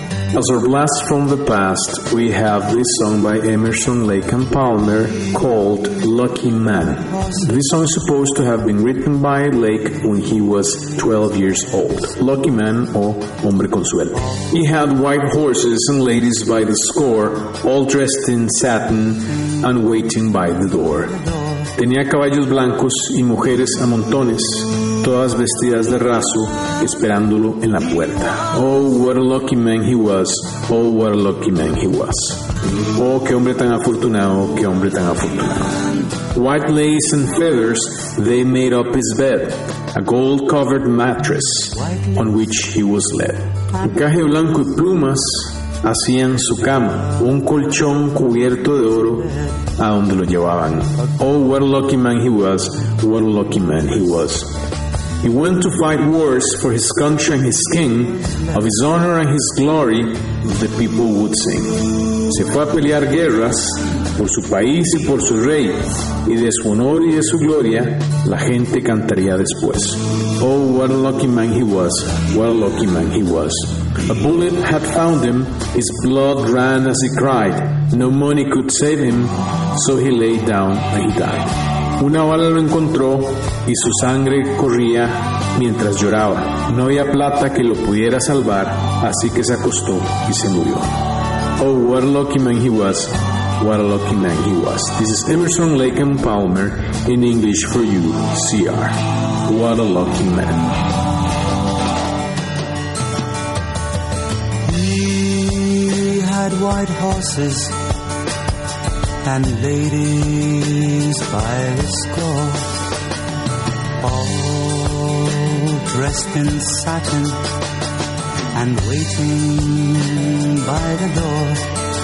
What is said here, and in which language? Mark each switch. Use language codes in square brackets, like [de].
[en] As our blast from the past, we have this song by Emerson, Lake and Palmer called Lucky Man. This song is supposed to have been written by Lake when he was 12 years old. Lucky Man or Hombre con Suerte. He had white horses and ladies by the score, all dressed in satin and waiting by the door. [es] Tenía caballos blancos y mujeres a montones, todas vestidas de raso, esperándolo en la puerta. [en] Oh, what a lucky man he was. Oh, what a lucky man he was. [es] Oh, qué hombre tan afortunado, qué hombre tan afortunado. [en] White lace and feathers, they made up his bed, a gold-covered mattress on which he was led. [es] Encaje blanco y plumas hacían su cama, un colchón cubierto de oro a donde lo llevaban. [en] Oh, what a lucky man he was. What a lucky man he was. He went to fight wars for his country and his king, of his honor and his glory, the people would sing. [es] Se fue a pelear guerras por su país y por su rey, y de su honor y de su gloria, la gente cantaría después. [en] Oh, what a lucky man he was, what a lucky man he was. A bullet had found him, his blood ran as he cried, no money could save him, so he lay down and he died. [es] Una bala lo encontró y su sangre corría mientras lloraba. No había plata que lo pudiera salvar, así que se acostó y se murió. [en] Oh, what a lucky man he was. What a lucky man he was. This is Emerson, Lake and Palmer in English for You, CR. What a lucky man. He had white horses and ladies by the score, all dressed in satin and waiting by the door.